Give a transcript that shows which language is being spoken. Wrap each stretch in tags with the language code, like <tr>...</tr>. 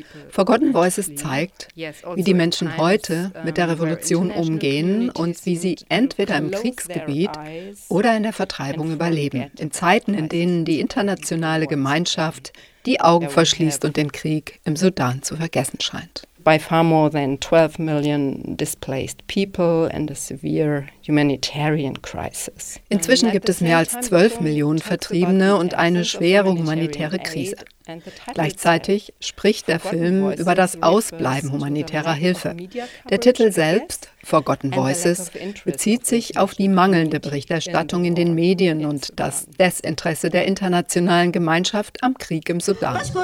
<de>Forgotten Voices zeigt, wie die Menschen heute mit der Revolution umgehen und wie sie entweder im Kriegsgebiet oder in der Vertreibung überleben. In Zeiten, in denen die internationale Gemeinschaft die Augen verschließt und den Krieg im Sudan zu vergessen scheint.</de> <en>By far more than 12 million displaced people and a severe humanitarian crisis.</en> <de>Inzwischen gibt es mehr als 12 Millionen Vertriebene und eine schwere humanitäre Krise. Gleichzeitig spricht der Film über das Ausbleiben humanitärer Hilfe. Der Titel selbst, Forgotten Voices, bezieht sich auf die mangelnde Berichterstattung in den Medien und das Desinteresse der internationalen Gemeinschaft am Krieg im Sudan.</de>